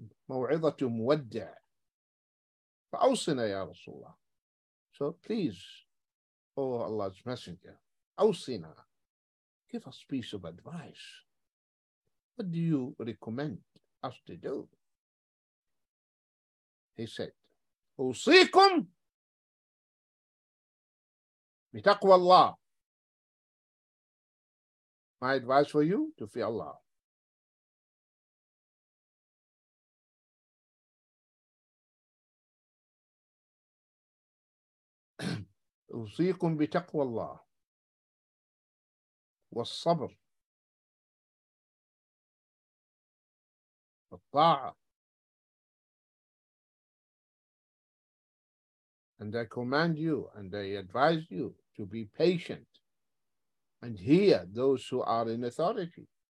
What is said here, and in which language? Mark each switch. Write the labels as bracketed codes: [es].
[ar] مَوْعِظَةٌ مُوَدَّعٌ. فَأَوْسِنَا يَا رَسُولَ اللَّهِ. [en] So please, oh Allah's messenger, [ar] أَوْسِنَا, [en] give us piece of advice. What do you recommend us to do? He said, [ar] أُوصِيكُمْ بِتَقْوَى اللَّهِ. [en] My advice for you, to fear Allah. [ar] أوصيكم بتقوى الله والصبر والطاعة [en] and I command you and I advise you to be patient and hear those who are in authority.